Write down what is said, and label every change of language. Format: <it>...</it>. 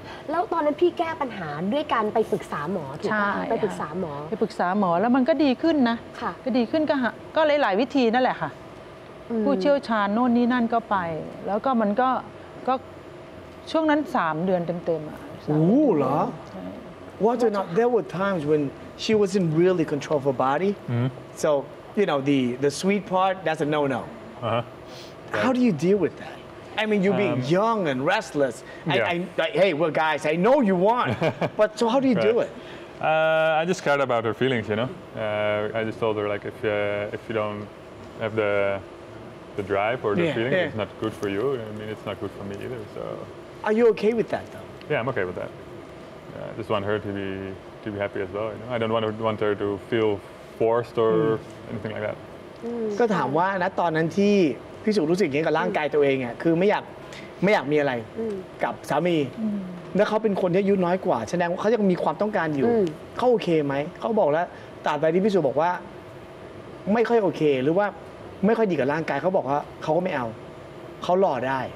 <th>แล้วตอนนั้นพี่แก้ปัญหาด้วยการไปปรึกษาหมอถู กป่ะไปปรึกษาหมอ ไปปรึกษาหมอแล้วมันก็ดีขึ้นนะ ค่ะ ก็ดีขึ้นก็หลายวิธีนั่นแหละค่ะผู้เชี่ยวชาญโน่นนี่นั่นก็ไปแล้วก็มันก็ช่วงนั้น3เดือนเต็มๆอ่ะ โอ้เหรอ</th> <en>What not there were times when she wasn't really control of her body so you know the sweet part that's a no How do you deal with thatI mean, you being young and restless. Hey, well, guys, I know you want, but so how do you do it? I just cared about her feelings, you know. I just told her like, if you don't have the drive or the feeling, it's not good for you. I mean, it's not good for me either. So, are you okay with that, though? Yeah, I'm okay with that. I just want her to be happy as well. You know, I don't want her to feel forced or anything like that.</en> <th>ก็ถามว่านะตอนนั้นที่พี่สุรู้สึกอย่างนี้กับร่างกายตัวเองอ่ะคือไม่อยากมีอะไรกับสามีแล้วเขาเป็นคนที่อายุน้อยกว่าแสดงว่าเขายังมีความต้องการอยู่เขาโอเคไหมเขาบอกแล้วตราบใดที่พี่สุบอกว่าไม่ค่อยโอเคหรือว่าไม่ค่อยดีกับร่างกายเขาบอกว่าเขาก็ไม่เอาเขาหล่อได</th>